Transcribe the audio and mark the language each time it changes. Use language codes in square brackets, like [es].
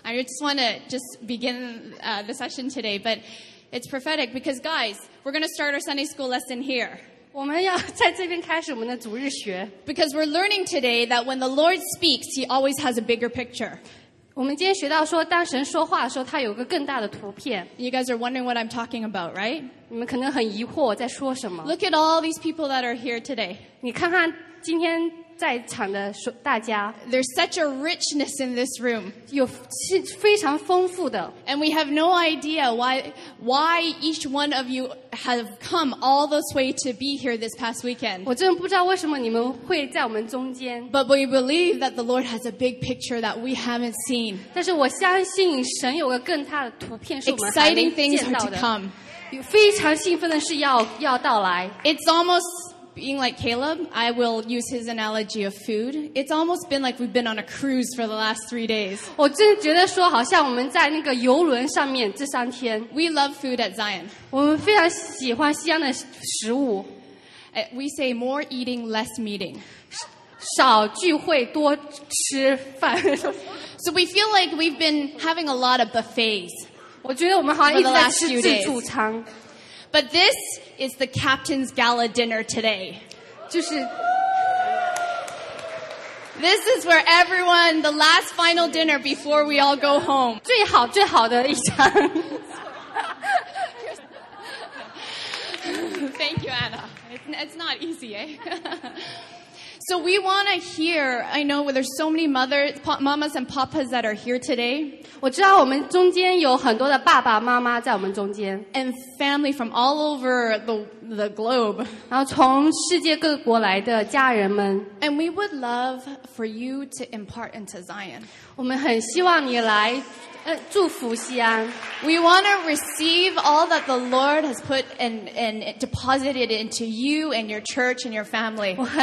[en] I just want to just begin the session today, but it's prophetic because, guys, we're going to start our Sunday school lesson here. [zh] 我们要在这边开始我们的主日学. [en] Because we're learning today that when the Lord speaks, He always has a bigger picture. [zh] 我们今天学到说当神说话的时候他有个更大的图片. [en] You guys are wondering what I'm talking about, right? [zh] 你们可能很疑惑在说什么. [en] Look at all these people that are here today. [zh] 你看看今天 [en] There's such a richness in this room. [zh] 有非常丰富的. [en] And we have no idea why each one of you have come all this way to be here this past weekend. [zh] 我真的不知道为什么你们会在我们中间. [en] But we believe that the Lord has a big picture that we haven't seen. [zh] 但是我相信神有个更大的图片是我们还没见到的. [en] Exciting things are to come. [zh] 非常兴奋的是要到来. [en] It's almost being like Caleb, I will use his analogy of food. It's almost been like we've been on a cruise for the last 3 days. [zh] 我真的觉得说好像我们在那个游轮上面这三天。 [en] We love food at Zion. [zh] 我们非常喜欢西安的食物。 [en] We say more eating, less meeting. [zh] 少聚会多吃饭。 [en] So we feel like we've been having a lot of buffets. [zh] 我觉得我们好像一直在吃自助餐。 [en] But this is the captain's gala dinner today. This is where everyone, the last final dinner before we all go home. [zh] 最好最好的一餐. [en] Thank you, Anna. It's not easy, eh? So we want to hear, I know there's so many mothers, mamas and papas that are here today. [zh] 我知道我们中间有很多的爸爸妈妈在我们中间. [en] And family from all over the globe. [zh] 然后从世界各国来的家人们. [en] And we would love for you to impart into Zion. [zh] 我们很希望你来, 祝福西安. [en] We want to receive all that the Lord has put and deposited into you and your church and your family.